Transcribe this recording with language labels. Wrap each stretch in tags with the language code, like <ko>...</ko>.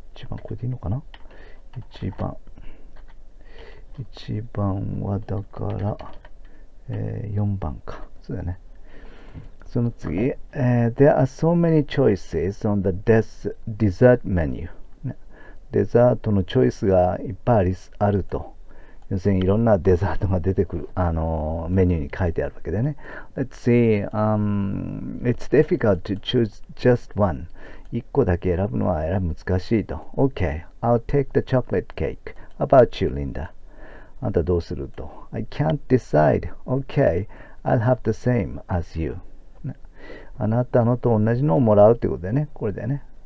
<ja>1番これでいいのかな？1 番。1番はだから、4番か。そうだね。その次。</ja> <en>There are so many choices on the dessert menu。</en> <ja>デザートのチョイスがいっぱいあると要するにいろんなデザートが出てくるメニューに書いてあるわけだよね。</ja> <en>Let's see, it's difficult to choose just one.</en> <ja>1個だけ選ぶのは難しいと。</ja> <en>Okay, I'll take the chocolate cake. How about you, Linda?</en> <ja>あんたどうすると。</ja> <en>I can't decide. Okay, I'll have the same as you.、</en> <ja>ね、あなたのと同じのをもらうということだよね。これだよね。</ja>